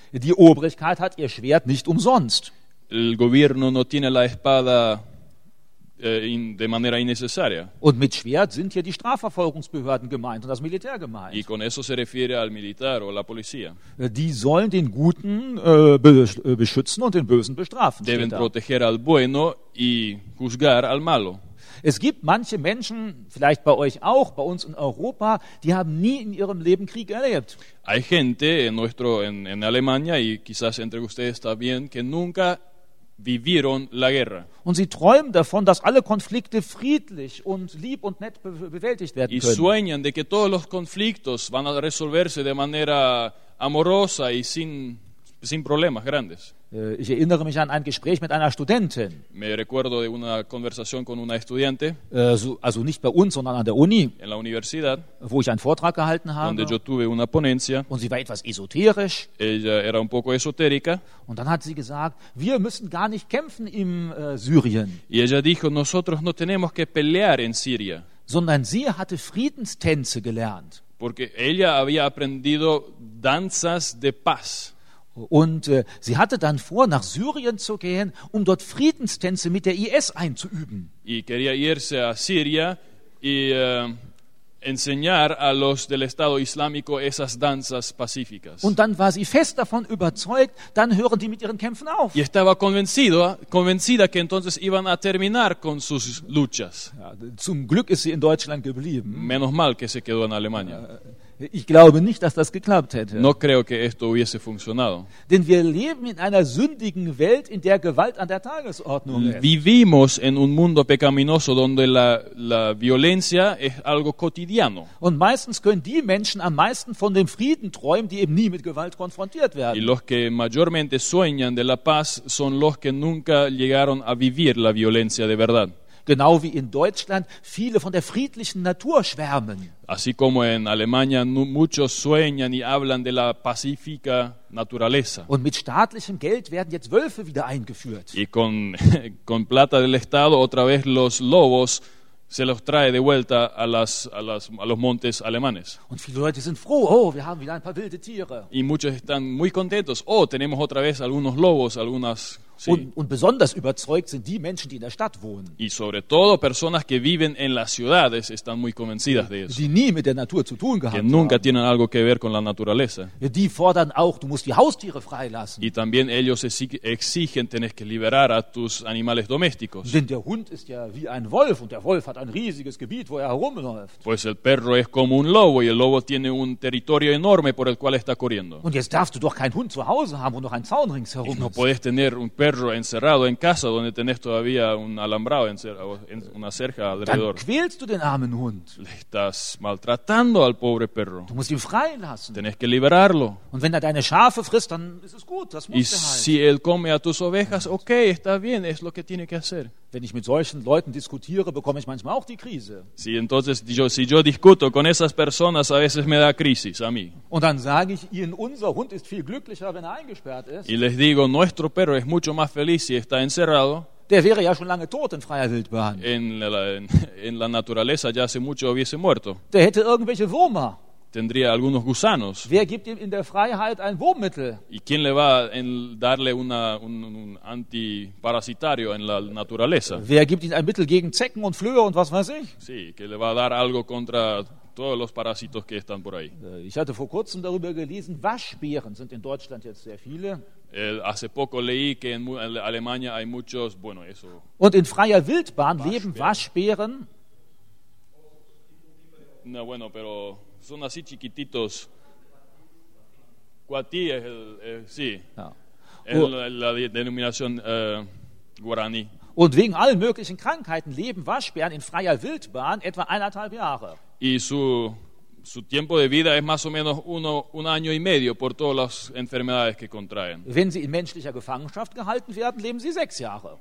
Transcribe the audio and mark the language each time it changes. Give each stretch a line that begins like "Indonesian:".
German: Die Obrigkeit hat ihr Schwert nicht umsonst.
Spanish: El gobierno no tiene la espada de manera innecesaria.
German: Und mit Schwert sind hier die Strafverfolgungsbehörden gemeint und das Militär gemeint.
Spanish: Y con eso se refiere al militar o la policía.
German: Die sollen den Guten beschützen und den Bösen bestrafen.
Spanish: Deben proteger al bueno y juzgar al malo.
German: Es gibt manche Menschen, vielleicht bei euch auch, bei uns in Europa, die haben nie in ihrem Leben Krieg erlebt.
Spanish: Hay gente en nuestro en Alemania y quizás entre ustedes también que nunca vivieron la guerra.
German: Und sie träumen davon, dass alle Konflikte friedlich und lieb und nett bewältigt werden können.
Spanish: Y sueñan de que todos los conflictos van a resolverse de manera amorosa y sin problemas grandes.
German: Ich erinnere mich an ein Gespräch mit einer Studentin.
Spanish: Me recuerdo de una conversación con una estudiante.
German: Also nicht bei uns, sondern an der Uni.
Spanish: En la universidad.
German: Wo ich einen Vortrag gehalten habe.
Spanish: Donde yo tuve una ponencia.
German: Und sie war etwas esoterisch.
Spanish: Ella era un poco esotérica.
German: Und dann hat sie gesagt, wir müssen gar nicht kämpfen im Syrien.
Spanish: Y ella dijo, nosotros no tenemos que pelear en Siria.
German: Sondern sie hatte Friedenstänze gelernt.
Spanish: Porque ella había aprendido danzas de paz.
German: Und sie hatte dann vor, nach Syrien zu gehen, um dort Friedenstänze mit der IS einzuüben.
Spanish: Y quería irse a Siria y enseñar a los del Estado Islámico esas danzas pacíficas.
German: Und dann war sie fest davon überzeugt, dann hören die mit ihren Kämpfen auf.
Spanish: Y estaba convencida que entonces iban a terminar con sus luchas.
German: Ja, zum Glück ist sie in Deutschland geblieben.
Spanish: Menos mal que se quedó en Alemania.
German: Ich glaube nicht, dass das geklappt hätte.
Spanish: No creo que esto hubiese funcionado.
German: Denn wir leben in einer sündigen Welt, in der Gewalt an der Tagesordnung ist.
Spanish: Vivimos en un mundo pecaminoso donde la violencia es algo cotidiano.
German: Und meistens können die Menschen am meisten von dem Frieden träumen, die eben nie mit Gewalt konfrontiert werden.
Spanish: Y los que mayormente sueñan de la paz son los que nunca llegaron a vivir la violencia de verdad.
German: Genau wie in Deutschland viele von der friedlichen Natur schwärmen.
Spanish: Así como en Alemania muchos sueñan y hablan de la pacífica naturaleza.
German: Und mit staatlichem Geld werden jetzt Wölfe wieder eingeführt.
Spanish: Y con plata del Estado otra vez los lobos se los trae de vuelta a los montes alemanes.
German: Und viele Leute sind froh, oh, wir haben wieder ein paar wilde Tiere.
Spanish: Y muchos están muy contentos, oh, tenemos otra vez algunos lobos, algunas. Sí.
German: Und besonders überzeugt sind die Menschen, die in der Stadt wohnen.
Spanish: Y sobre todo personas que viven en las ciudades están muy convencidas de eso.
German: Die nie mit der Natur zu tun gehabt haben.
Spanish: Que nunca
German: haben.
Spanish: Tienen algo que ver con la naturaleza.
German: Die fordern auch, du musst die Haustiere freilassen.
Spanish: Y también ellos exigen, tienes que liberar a tus animales domésticos.
German: Denn der Hund ist ja wie ein Wolf und der Wolf hat ein riesiges Gebiet, wo er herumläuft.
Spanish: Pues el perro es como un lobo y el lobo tiene un territorio enorme por el cual está corriendo.
German: Und jetzt darfst du doch keinen Hund zu Hause haben, wo noch ein Zaun ringsherum ist.
Spanish: No puedes tener un perro encerrado en casa donde tenés todavía un alambrado en una cerca alrededor.
German: Dann quälst du den armen Hund.
Spanish: Le estás maltratando al pobre perro.
German: Du musst ihn freilassen.
Spanish: Tenés que liberarlo.
German: Und wenn er deine Schafe frisst, dann ist es gut, das muss
Spanish: y si él come a tus ovejas, okay, está bien, es lo que tiene que hacer.
German: Wenn ich mit solchen Leuten diskutiere, bekomme ich manchmal auch die Krise.
Spanish: Si, entonces, si yo discuto con esas personas, a veces me da crisis a mí.
German: Und dann sage ich ihnen, unser Hund ist viel glücklicher, wenn er eingesperrt ist.
Spanish: Y les digo, nuestro perro es mucho más feliz si está encerrado.
German: Der wäre ja schon lange tot in freier Wildbahn.
Spanish: En la naturaleza ya hace mucho hubiese muerto.
German: Der hätte irgendwelche Würmer.
Spanish: Tendría algunos gusanos.
German: Wer gibt ihm in der Freiheit ein Wurmmittel?
Spanish: ¿Y quién le va a darle un antiparasitario en la naturaleza?
German: Wer gibt ihm ein Mittel gegen Zecken und Flöhe und was weiß ich?
Spanish: Sí, que le va a dar algo contra todos los parásitos que están por ahí.
German: Ich hatte vor kurzem darüber gelesen, Waschbären sind in Deutschland jetzt sehr viele.
Spanish: Hace poco leí que en Alemania hay muchos, bueno, eso.
German: Und in freier Wildbahn Waschbären. Leben Waschbären.
Spanish: No, bueno, pero son así chiquititos. Guatí es el, sí. Ja. La denominación guaraní.
German: Und wegen allen möglichen Krankheiten leben Waschbären in freier Wildbahn etwa 1,5 Jahre.
Spanish: Y su tiempo de vida es más o menos un año y medio por todas las enfermedades que contraen.
German: Wenn sie in menschlicher Gefangenschaft gehalten werden, leben sie 6 Jahre.